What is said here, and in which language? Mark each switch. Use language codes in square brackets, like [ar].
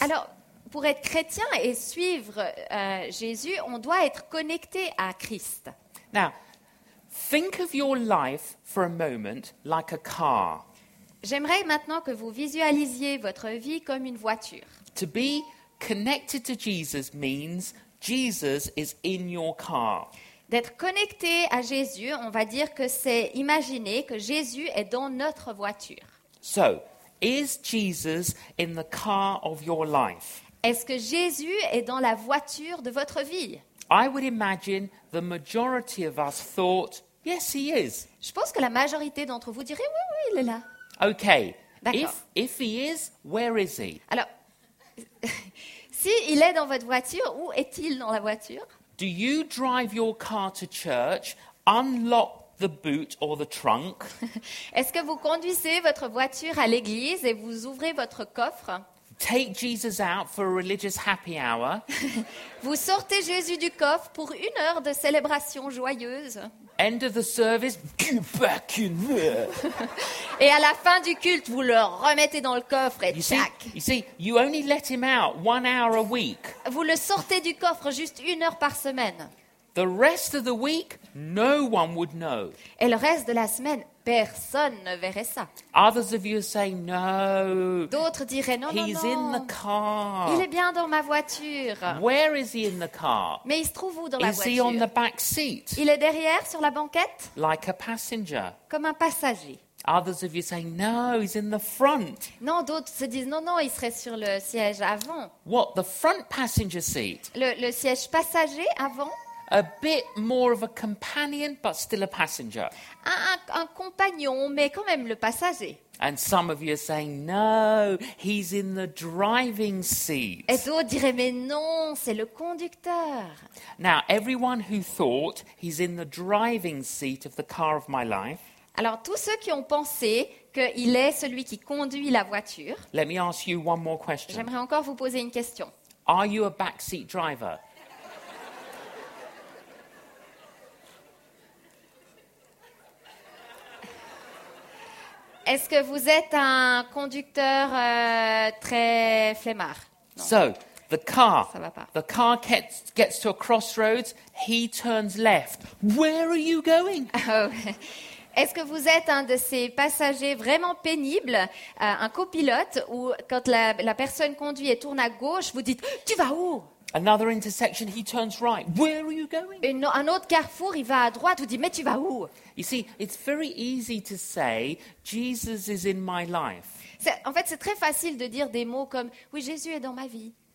[fr] Alors, pour être chrétien et suivre Jésus, on doit être connecté à Christ. [en] Now, think of your life for a moment like a car. [fr] J'aimerais maintenant que vous visualisiez votre vie comme une voiture. [en] To be connected to Jesus means Jesus is in your car. [fr] D'être connecté à Jésus, on va dire que c'est imaginer que Jésus est dans notre voiture. [en] So, is Jesus in the car of your life? [fr] Est-ce que Jésus est dans la voiture de votre vie? [en] I would imagine the majority of us thought, yes, he is. [fr] Je pense que la majorité d'entre vous dirait oui, il est là. [en] Okay. [fr] D'accord. [en] If he is, where is he? [fr] Alors, si il est dans votre voiture, où est-il dans la voiture? [en] Do you drive your car to church, unlock the boot or the trunk? [fr] Est-ce que vous conduisez votre voiture à l'église et vous ouvrez votre coffre? [en] take Jesus out for a religious happy hour. [fr] Vous sortez Jésus du coffre pour une heure de célébration joyeuse. [en] End of the service, get back in there. [fr] Et à la fin du culte, vous le remettez dans le coffre et tac. [en] You see, you only let him out 1 hour a week. [fr] Vous le sortez du coffre juste une heure par semaine. [en] The rest of the week, no one would know. [fr] Et le reste de la semaine, personne ne verrait ça. [en] Others of you say no. [fr] D'autres diraient non, [en] he's [fr] non, non. [en] In the car. [fr] Il est bien dans ma voiture. [en] Where is he in the car? [fr] Mais il se trouve où dans [en] is [fr] la voiture? [en] Is he on the back seat? [fr] Il est derrière sur la banquette? [en] Like a passenger. [fr] Comme un passager. [en] Others of you say no, he's in the front. [fr] Non, d'autres se disent non, non, il serait sur le siège avant. [en] What, the front passenger seat? [fr] Le siège passager avant? [en] A bit more of a companion, but still a passenger. [fr] Un compagnon, mais quand même le passager. [en] And some of you are saying, no, he's in the driving seat. [fr] Et d'autres diraient, mais non, c'est le conducteur. [en] Now, everyone who thought he's in the driving seat of the car of my life. [fr] Alors, tous ceux qui ont pensé qu'il est celui qui conduit la voiture. [en] Let me ask you one more question. [fr] J'aimerais encore vous poser une question. [en] Are you a backseat driver? [fr] Est-ce que vous êtes un conducteur très flemmard? [en] So, the car. [fr] Ça va pas. [en] The car gets to a crossroads, he turns left. Where are you going? Oh. [fr] Est-ce que vous êtes un de ces passagers vraiment pénibles, un copilote où quand la personne conduit et tourne à gauche, vous dites tu vas où? [en] Another intersection, he turns right. Where are you going? [fr] Un autre carrefour, il va à droite, vous dites, mais tu vas où? [en] You see, it's very easy to say, Jesus is in my life. [fr] C'est très facile de dire des mots comme, oui, Jésus est dans ma vie.